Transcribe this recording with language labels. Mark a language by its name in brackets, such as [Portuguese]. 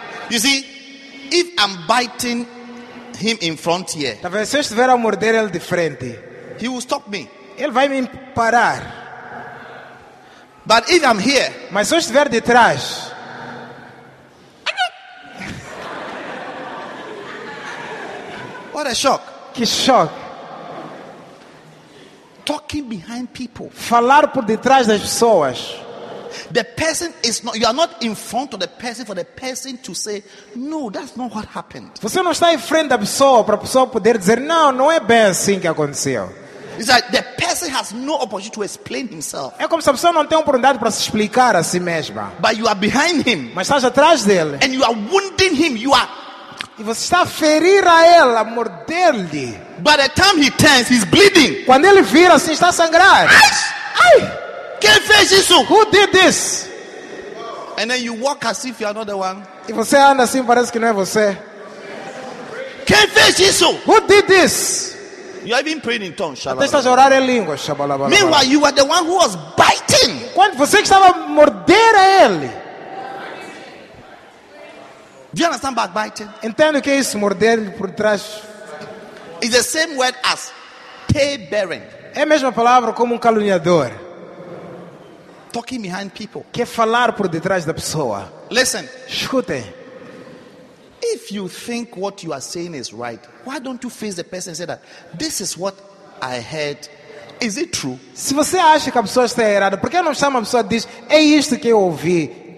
[English] You see, if I'm biting him in front here, [Portuguese] talvez se eu estiver a morder ele de frente, [English] he will stop me. [Portuguese] Ele vai me parar. [English] But if I'm here, [Portuguese] mas se eu estiver de trás, [English] what a shock. [Portuguese] Que shock. [English] Talking behind people. [Portuguese] Falar por detrás das pessoas. [English] The person is not, you are not in front of the person for the person to say, no, that's not what happened. [Portuguese] Você não está em frente da pessoa para a pessoa poder dizer, não, não é bem assim que aconteceu. [English] It's like the person has no opportunity to explain himself. [Portuguese] É como se a pessoa não tem oportunidade para se explicar a si mesma. [English] But you are behind him. [Portuguese] Mas estás atrás dele. [English] And you are wounding him. You are. [Portuguese] E você está a ferir a ele, a morder-lhe. [English] By the time he turns, he's bleeding. [Portuguese] Quando ele vira, assim, está a sangrar. Ai! Ai! Quem fez isso? [English] Who did this? And then you walk as if you are not the one. [Portuguese] E você anda assim, parece que não é você. Quem fez isso? [English] Who did this? You are even praying in tongues. [Portuguese] Até estás a orar em língua, shabalabala. [English] Meanwhile, you are the one who was biting. [Portuguese] Quando você que estava a morder a ele. [English] Do you understand back biting? [Portuguese] Entendo que é isso, morder por trás. [English] It's the same word as tay-bearing. [Portuguese] É a mesma palavra como um caluniador. [English] Talking behind people. [Portuguese] Que falar por detrás da pessoa. [English] Listen. [Portuguese] Escute. [English] If you think what you are saying is right, why don't you face the person and say that this is what I heard? Is it true? [Portuguese] Se você acha que a pessoa está errada, por que não chama a pessoa e diz, é isto que eu ouvi?